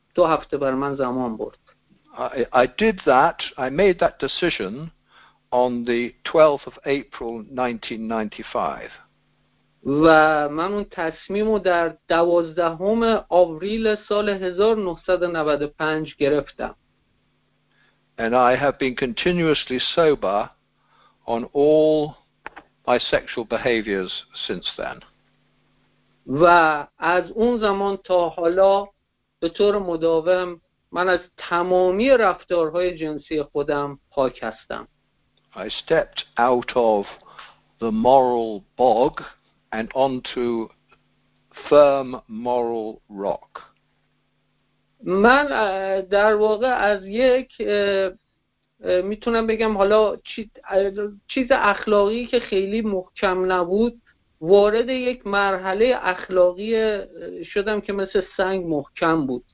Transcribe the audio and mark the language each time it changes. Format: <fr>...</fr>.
<fa>2 هفته بر من زمان برد.</fa> <en>I did that. I made that decision on the 12th of April 1995.</en> <fa>و من اون تصمیم رو در 12 آوریل سال 1995 گرفتم.</fa> <en>And I have been continuously sober on all my sexual behaviors since then.</en> <fa>و از اون زمان تا حالا به طور مداوم من از تمامی رفتارهای جنسی خودم پاک هستم.</fa> <en>I stepped out of the moral bog and onto firm moral rock.</en> <fa>من در واقع از یک میتونم بگم حالا چیز اخلاقی که خیلی محکم نبود وارد یک مرحله اخلاقی شدم که مثل سنگ محکم بود.</fa>